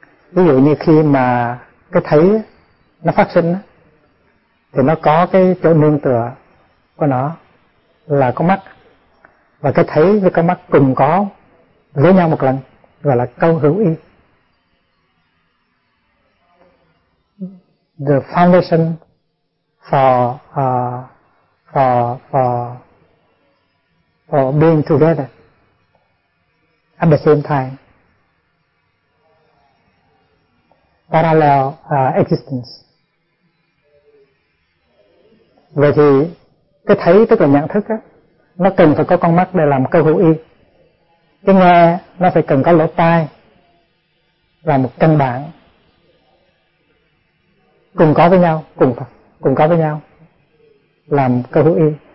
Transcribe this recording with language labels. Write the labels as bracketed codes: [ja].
[vi] Ví dụ như khi mà cái thấy nó phát sinh thì nó có cái chỗ nương tựa của nó là có mắt, và cái thấy với cái mắt cùng có với nhau một lần gọi là cơ hữu y. [en] The foundation for being together at the same time, parallel existence. [vi] Vậy thì cái thấy tức là nhận thức á, nó cần phải có con mắt để làm cơ hữu y. Cái nghe nó phải cần có lỗ tai là một căn bản cùng có với nhau, cùng có với nhau làm cơ hữu y.